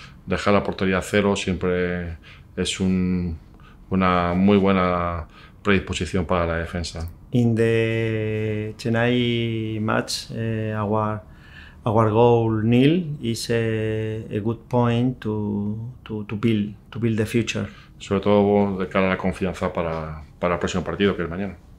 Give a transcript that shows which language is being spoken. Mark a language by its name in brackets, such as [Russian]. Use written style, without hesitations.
[Spanish] Dejar la portería cero siempre es una muy buena predisposición para la defensa. [English] In the Chennai match, our goal nil is a good point to build the future. [Spanish] Sobre todo de cara a la confianza para el próximo partido, que es mañana.